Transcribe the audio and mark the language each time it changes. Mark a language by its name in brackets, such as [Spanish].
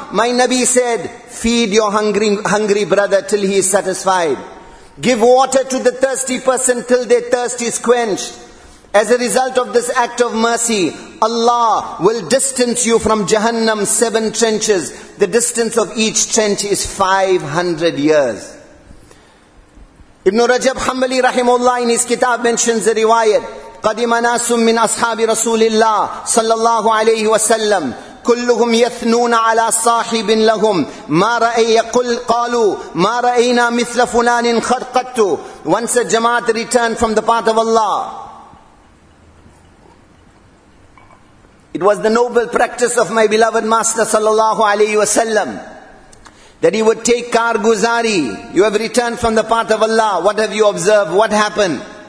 [English] My Nabi said, feed your hungry brother till he is satisfied. Give water to the thirsty person till their thirst is quenched. As a result of this act of mercy, Allah will distance you from Jahannam 7 trenches. The distance of each trench is 500 years. Ibn Rajab Hanbali rahimahullah in his kitab mentions the riwayat, [Arabic] قَدِمَ نَاسٌ مِّنْ أَصْحَابِ رَسُولِ اللَّهِ صَلَّى اللَّهُ عَلَيْهِ وَسَلَّمْ كلهم يثنون على صاحب لهم ما رأي يقول قالوا ما رأينا مثل فلان خرقت. [English] Once a jamaat returned from the part of Allah, it was the noble practice of my beloved master sallallahu alayhi wa sallam that he would take karguzari. You have returned from the path of Allah. What have you observed? What happened?